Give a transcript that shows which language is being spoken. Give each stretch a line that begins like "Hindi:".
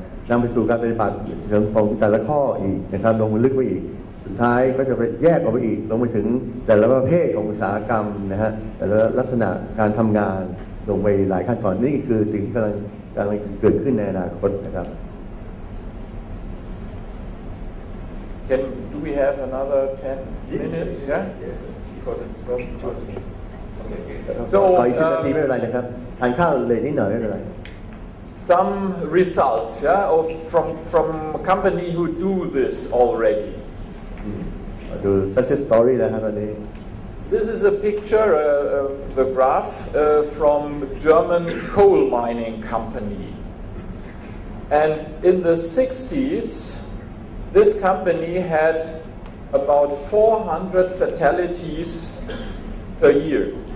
Thai: นำไปสู่การปฏิบัติเรื่องของแต่ละข้ออีกนะครับลงลึกไปอีกสุดท้ายก็จะไปแยกออกไปอีกลงไปถึงแต่ละประเภทของอุตสาหกรรมนะฮะแต่ละลักษณะการทำงานลงไปหลายขั้นตอนนี่คือสิ่งที่กำลังเกิดขึ้นในอนาคตนะครับ
English: Can do we have another 10 minutes yeah because it's so okay. So
Thai: ไม่เป็นไรนะครับทานข้าวเลยนิดหน่อยไม่เป็นไร
English: Some results yeah of from a company who do this already
Thai: ดู success story นะครับตอนนี้
English: This is a picture, the graph, from German coal mining company. And in the 60s, this company had about 400 fatalities per year.